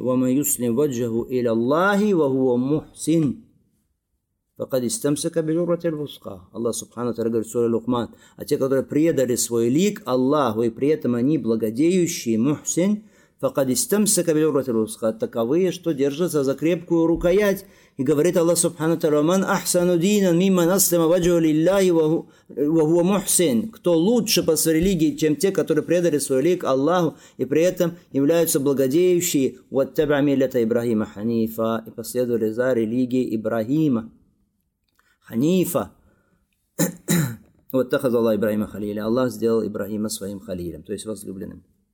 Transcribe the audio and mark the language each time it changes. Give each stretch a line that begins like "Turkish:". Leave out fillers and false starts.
Arabic: وَمَا يُسْلِمْ وَجْهُ إِلَى اللَّهِ وَهُوَ مُحْسِنْ فَقَدْ إِسْتَمْسَكَ بِالْعُرْوَةِ الْوُثْقَى.
Russian: Аллах Субхану ва Тааля говорит в суре Лукман. А те, которые предали свой лик Аллаху, и при этом они благодеющие, мухсин,
Arabic: فَقَدْ إِسْتَمْسَكَ بِالْعُرْوَةِ الْوُثْقَى.
Russian: Таковые, что держатся за крепкую рукоять. И говорит Аллах Субхану ва Тааля:
Arabic: وَمَنْ أَحْسَنُ دِينًا مِمَّنْ أَسْلَمَ وَجْهَهُ لِلَّهِ وَهُوَ مُحْسِنْ.
Russian: Кто лучше по своей религии, чем те, которые предали свой лик Аллаху, и при этом являются благодеющие,
Arabic: وَاتَّبَعَ مِلَّةَ إِبْرَاهِيمَ حَنِيفًا,
Russian: и последовали за религией Ибрахима. Ханифа. Вот так сделал Ибрахима халилем. Аллах сделал Ибрахима своим халилем, то есть возлюбленным.